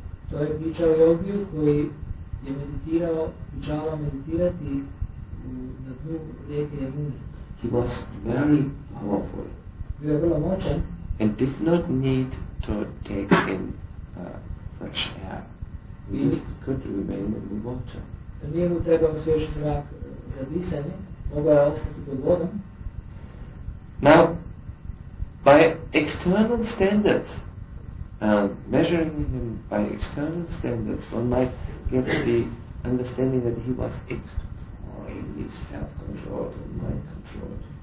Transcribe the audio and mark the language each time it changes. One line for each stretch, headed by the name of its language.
Croatian: To je priča o yogiju koji je meditirao, pričala meditirati na dnu rijeke Yamuna.
English: He was very powerful.
Croatian: Bio je vrlo moćan.
English: And did not need to take in fresh air. He just could remain in the water.
Croatian: Nije mu trebao svjež zrak za disanje, mogao je ostati pod vodom.
English: Now, by external standards, measuring him by external standards, one might get the understanding that he was extremely self-controlled and mind-controlled.